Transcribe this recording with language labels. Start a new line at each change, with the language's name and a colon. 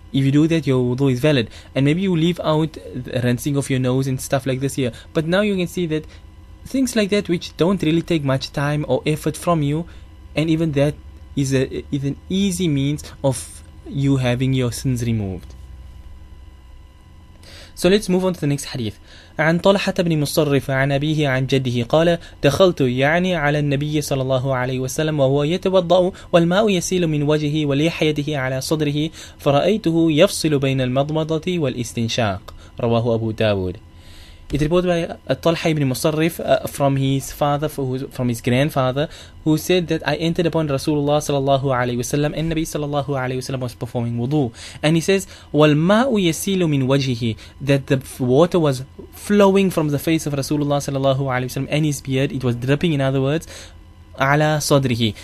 English: If you do that, your wudu is valid. And maybe you leave out the rinsing of your nose and stuff like this here. But now you can see that things like that, which don't really take much time or effort from you, and even that is an easy means of you having your sins removed. So let's move on to the next hadith.
Arabic: عن طلحة بن مصرف عن أبيه عن جده قال دخلت يعني على النبي صلى الله عليه وسلم وهو يتوضأ والماء يسيل من وجهه ولحيته على صدره فرأيته يفصل بين المضمضة والاستنشاق. رواه أبو داود.
English: It reported by Talha ibn Musarrif from his grandfather, who said that I entered upon Rasulullah sallallahu alayhi wa sallam, and Nabi sallallahu alayhi wa sallam was performing wudu. And he says,
Arabic: وَالْمَاءُ يَسِيلُ مِنْ وَجْهِهِ,
English: that the water was flowing from the face of Rasulullah sallallahu alayhi wa sallam, and his beard, it was dripping, in other words,
Arabic: عَلَى صَدْرِهِ.